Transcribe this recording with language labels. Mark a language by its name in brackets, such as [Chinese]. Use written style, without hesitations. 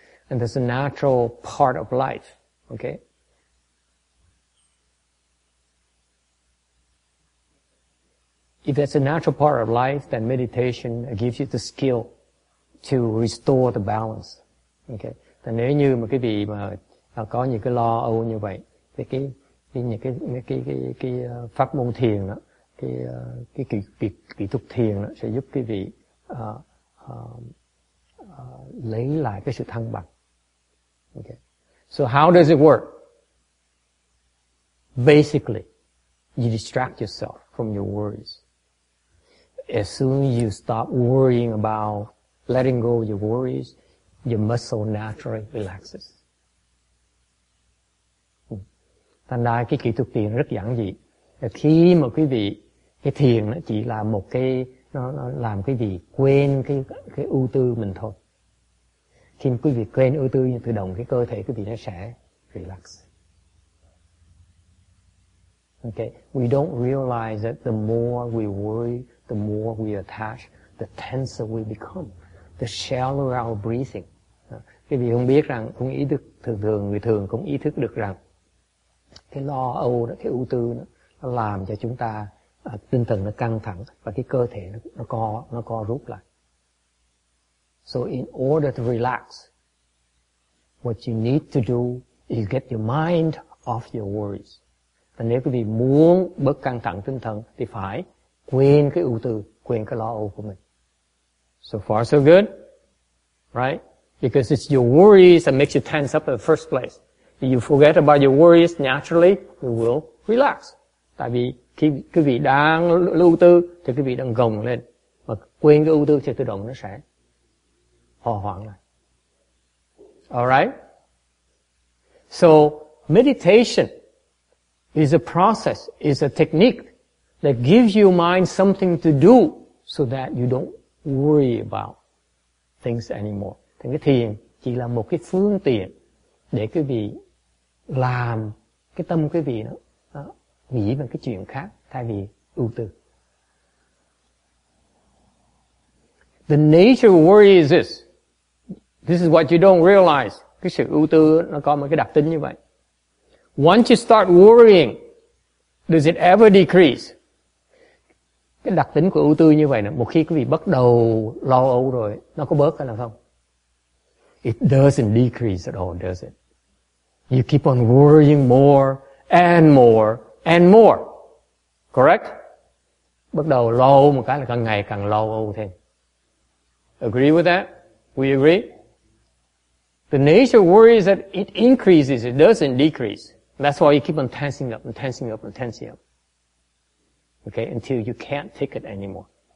[English] And that's a natural part of life, okay? If that's a natural part of life, then meditation gives you the skill to restore the balance, okay? [Vietnamese] Thì nếu như mà cái vị mà có những cái lo âu như vậy, thì cái pháp môn thiền đó, cái kỹ thuật thiền đó sẽ giúp cái vị lấy lại cái sự thăng bằng. [English] Okay. So how does it work? Basically, you distract yourself from your worries. As soon as you stop worrying about letting go of your worries, your muscle naturally relaxes. [Vietnamese] Thành ra cái kỹ thuật thiền rất giản dị. Khi mà quý vị, cái thiền nó chỉ là một cái, nó làm cái gì quên cái ưu tư mình thôi. Khi quý vị quên ưu tư, tự động cái cơ thể quý vị nó sẽ relax. [English] Okay, we don't realize that the more we worry, the more we attach, the tenser we become, the shallower our breathing. [Vietnamese] Quý vị không biết rằng, không ý thức, thường người thường không ý thức được rằng cái lo âu đó, cái ưu tư đó, nó làm cho chúng ta tinh thần nó căng thẳng và cái cơ thể nó co rút lại. [English] So in order to relax, what you need to do is get your mind off your worries. [Vietnamese] Và nếu quý vị muốn bớt căng thẳng tinh thần thì phải quên cái ưu tư, quên cái lo âu của mình. [English] So far so good, right? Because it's your worries that makes you tense up in the first place. If you forget about your worries naturally, you will relax. [Vietnamese] Tại vì khi quý vị đang ưu tư thì quý vị đang gồng lên, mà quên cái ưu tư thì tự động nó sẽ hòa hoãn lại. [English] Alright? So meditation is a process, is a technique that gives your mind something to do so that you don't worry about things anymore. [Vietnamese] Thì cái thiền chỉ là một cái phương tiện để quý vị làm cái tâm quý vị nó nghĩ về cái chuyện khác thay vì ưu tư. [English] The nature of worry is this. This is what you don't realize. [Vietnamese] Cái sự ưu tư nó có một cái đặc tính như vậy. [English] Once you start worrying, does it ever decrease? [Vietnamese] Cái đặc tính của ưu tư như vậy nè, một khi quý vị bắt đầu lo âu rồi, nó có bớt hay là không? [English] It doesn't decrease at all, does it? You keep on worrying more and more and more. Correct? [Vietnamese] Bắt đầu lo âu một cái là càng ngày càng lo âu thêm. [English] Agree with that? We agree? The nature of worry is that it increases, it doesn't decrease. That's why you keep on tensing up and tensing up and tensing up. Okay, until you can't take it anymore.